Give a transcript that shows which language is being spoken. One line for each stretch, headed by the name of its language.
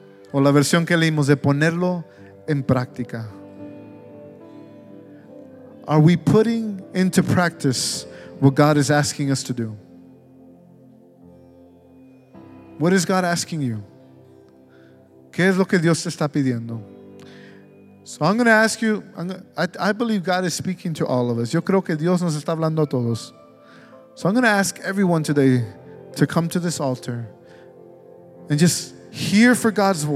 Spanish: O la versión que leímos, de ponerlo en práctica.
English: Are we putting into practice what God is asking us to do? What is God asking you?
Spanish: ¿Qué es lo que Dios te está pidiendo?
English: So I'm going to ask you, I believe God is speaking to all of us.
Spanish: Yo creo que Dios nos está hablando a todos.
English: So I'm going to ask everyone today to come to this altar and just hear for God's voice.
Spanish: Le voy a pedir a todos que pasemos a este altar
English: and just...